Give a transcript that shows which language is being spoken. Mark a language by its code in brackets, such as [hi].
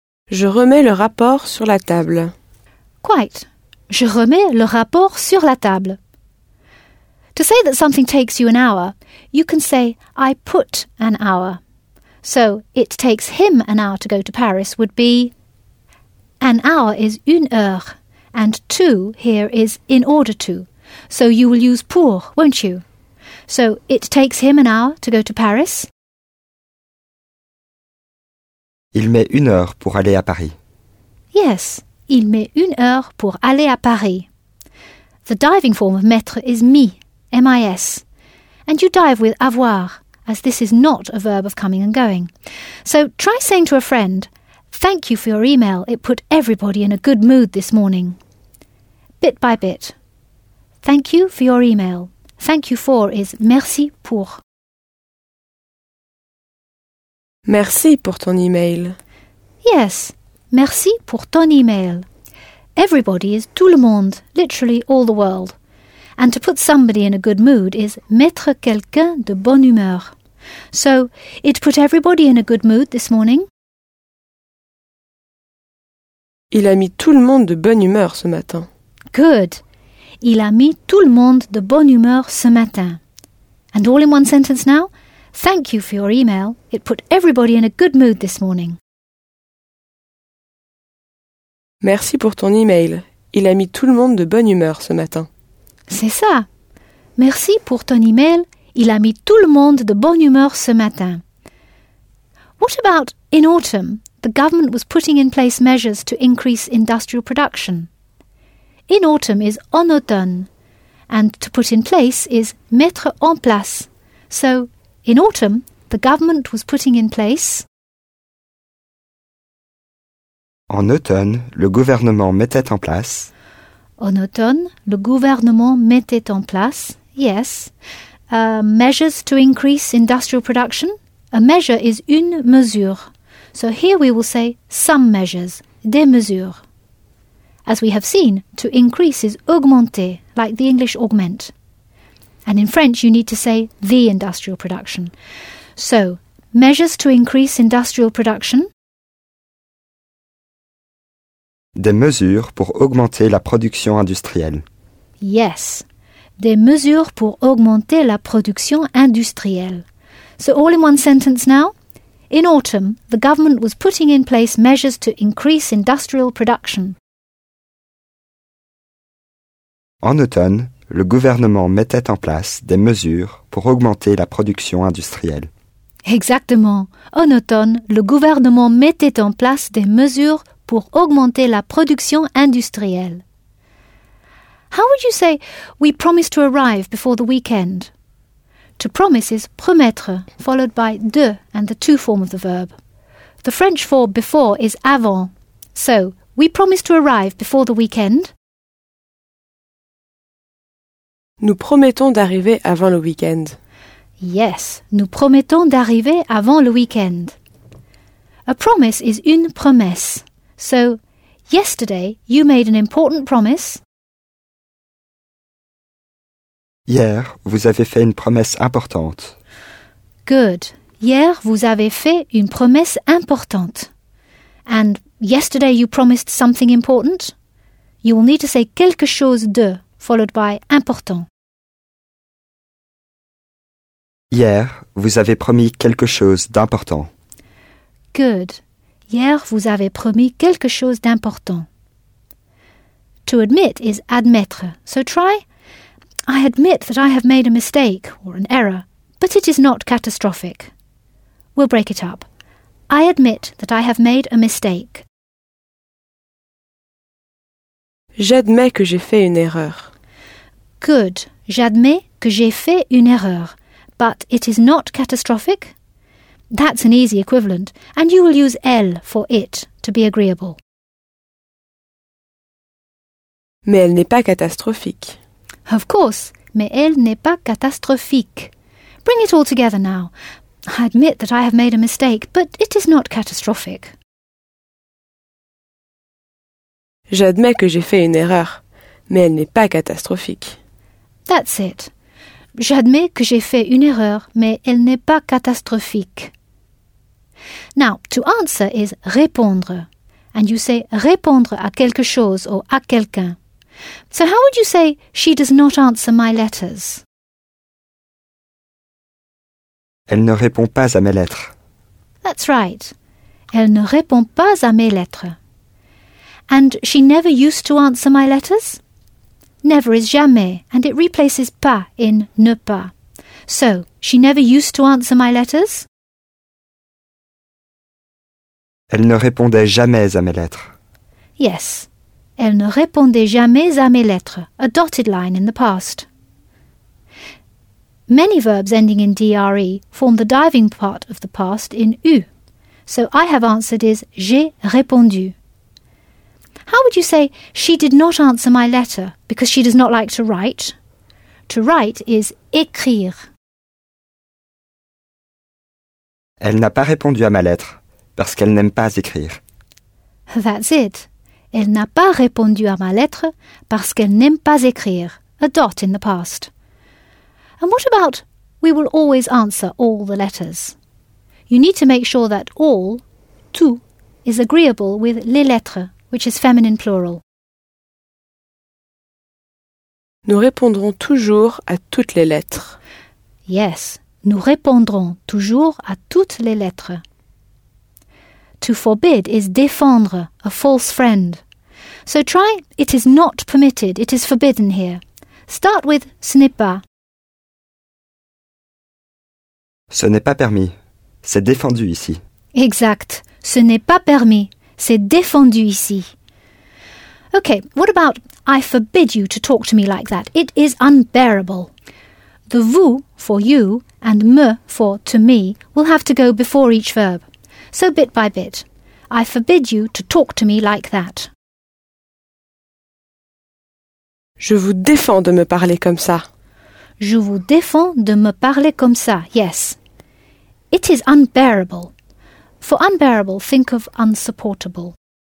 [fr] Je remets le rapport sur la table. [en] Quite. [fr] Je remets le rapport sur la table. [en] To say that something takes you an hour, you can say I put an hour. So it takes him an hour to go to Paris would be... An hour is [fr] une heure, [en] and to here is in order to. So you will use pour, won't you? So it takes him an hour to go to Paris. [fr] Il met une heure pour aller à Paris. Yes, il met une heure pour aller à Paris. [en] The diving form of mettre is mis, M-I-S. And you dive with avoir, as this is not a verb of coming and going. So try saying to a friend, thank you for your email, it put everybody in a good mood this morning. Bit by bit. Thank you for your email. Thank you for is [fr] merci pour. Merci pour ton email. Yes, merci pour ton email. [en] Everybody is [fr] tout le monde, [en] literally all the world. And to put somebody in a good mood is [fr] mettre quelqu'un de bonne humeur. [en] So, it put everybody in a good mood this morning. [fr] Il a mis tout le monde de bonne humeur ce matin. [en] Good. [fr] Il a mis tout le monde de bonne humeur ce matin. [en] And all in one sentence now? Thank you for your email. It put everybody in a good mood this morning. [fr] Merci pour ton email. Il a mis tout le monde de bonne humeur ce matin. C'est ça. Merci pour ton email. Il a mis tout le monde de bonne humeur ce matin. [en] What about in autumn, the government was putting in place measures to increase industrial production? In autumn is [fr] en automne, [en] and to put in place is [fr] mettre en place. [en] So, in autumn, the government was putting in place... [fr] En automne, le gouvernement mettait en place... En automne, le gouvernement mettait en place, yes. [en] Measures to increase industrial production. A measure is [fr] une mesure. [en] So here we will say some measures, [fr] des mesures. [en] As we have seen, to increase is augmenter, like the English augment. And in French, you need to say the industrial production. So, measures to increase industrial production. [fr] Des mesures pour augmenter la production industrielle. Yes, des mesures pour augmenter la production industrielle. [en] So, all in one sentence now. In autumn, the government was putting in place measures to increase industrial production. [fr] En automne, le gouvernement mettait en place des mesures pour augmenter la production industrielle. Exactement. En automne, le gouvernement mettait en place des mesures pour augmenter la production industrielle. [en] How would you say we promise to arrive before the weekend? To promise is promettre, followed by de and the to form of the verb. The French for before is avant. So, we promise to arrive before the weekend. [fr] Nous promettons d'arriver avant le weekend. Yes, nous promettons d'arriver avant le weekend. [en] A promise is une promesse. So, yesterday you made an important promise. [fr] Hier, vous avez fait une promesse importante. [en] Good. [fr] Hier, vous avez fait une promesse importante. [en] And yesterday you promised something important. You will need to say [fr] quelque chose de, [en] followed by important. [fr] Hier, vous avez promis quelque chose d'important. [en] Good. [fr] Hier, vous avez promis quelque chose d'important. [en] To admit is admettre. So try. I admit that I have made a mistake or an error, but it is not catastrophic. We'll break it up. I admit that I have made a mistake. [fr] J'admets que j'ai fait une erreur. [en] Good. [fr] J'admets que j'ai fait une erreur. [en] But it is not catastrophic? That's an easy equivalent. And you will use elle for it, to be agreeable. [fr] Mais elle n'est pas catastrophique. [en] Of course, [fr] mais elle n'est pas catastrophique. [en] Bring it all together now. I admit that I have made a mistake, but it is not catastrophic. [fr] J'admets que j'ai fait une erreur, mais elle n'est pas catastrophique. [en] That's it. [fr] J'admets que j'ai fait une erreur, mais elle n'est pas catastrophique. [en] Now, to answer is répondre. And you say [fr] répondre à quelque chose [en] or [fr] à quelqu'un. [en] So how would you say, she does not answer my letters? [fr] Elle ne répond pas à mes lettres. [en] That's right. [fr] Elle ne répond pas à mes lettres. [en] And she never used to answer my letters? Never is jamais, and it replaces pas in [fr] ne pas. [en] So, she never used to answer my letters? [fr] Elle ne répondait jamais à mes lettres. [en] Yes. [fr] Elle ne répondait jamais à mes lettres. [en] A dotted line in the past. Many verbs ending in dre form the diving part of the past in u. So I have answered is [fr] j'ai répondu. [en] How would you say she did not answer my letter because she does not like to write? To write is écrire. [fr] Elle n'a pas répondu à ma lettre parce qu'elle n'aime pas écrire. [en] That's it. [fr] Elle n'a pas répondu à ma lettre parce qu'elle n'aime pas écrire. [en] A dot in the past. And what about we will always answer all the letters? You need to make sure that all, tout, is agreeable with [fr] les lettres, [en] which is feminine plural. [fr] Nous répondrons toujours à toutes les lettres. Yes, nous répondrons toujours à toutes les lettres. [en] To forbid is défendre, a false friend. So try, it is not permitted, it is forbidden here. Start with [fr] ce n'est pas. Ce n'est pas permis, c'est défendu ici. Exact, ce n'est pas permis, c'est défendu ici. [en] Okay, what about I forbid you to talk to me like that? It is unbearable. The vous for you and me for to me will have to go before each verb. So bit by bit, I forbid you to talk to me like that. [fr] Je vous défends de me parler comme ça. Je vous défends de me parler comme ça, yes. [en] It is unbearable. For unbearable, think of insupportable.